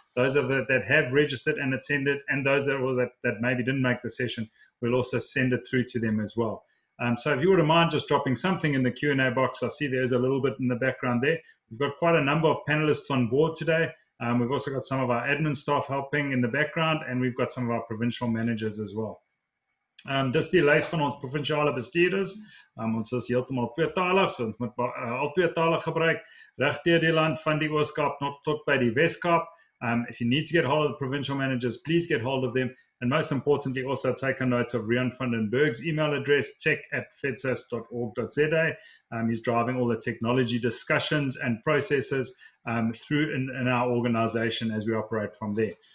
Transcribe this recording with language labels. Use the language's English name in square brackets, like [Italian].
[English] Those of that have registered and attended, and those that maybe didn't make the session, we'll also send it through to them as well. So if you wouldn't mind just dropping something in the Q&A box, I see there's a little bit in the background there. We've got quite a number of panelists on board today. We've also got some of our admin staff helping in the background, and we've got some of our provincial managers as well. [Afrikaans] Dis die lys van ons provinsiale bestuurders. Ons is heeltemal tweetalig, so ons moet al twee tale gebruik. Reg deur die land van die Oos-Kaap tot by die Wes-Kaap. [English] If you need to get hold of the provincial managers, please get hold of them. And most importantly, also take a note of Riaan van den Berg's email address, tech@fedsas.org.za. He's driving all the technology discussions and processes through in our organization as we operate from there.